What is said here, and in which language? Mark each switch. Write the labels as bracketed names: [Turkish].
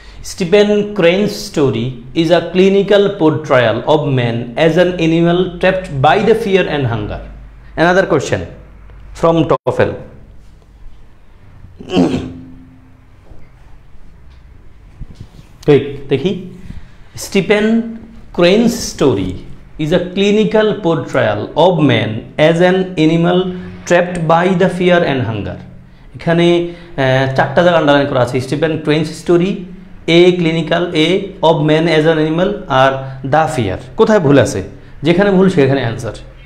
[English] Stephen Crane's story is a clinical portrayal of man as an animal trapped by the fear and hunger. Another question from TOEFL, quick [Bangla] দেখি। [English] Stephen Crane's story is a clinical portrayal of man as an animal trapped by the fear and hunger. [Bangla] এখানে চারটা জায়গা underline করা আছে, Stephen Cairns story, a clinical, [English] a of man as an animal, [Bangla] are [English] The fear. [Bangla] কোথায় ভুল আছে? যেখানে ভুল সেখানে অ্যান্সার।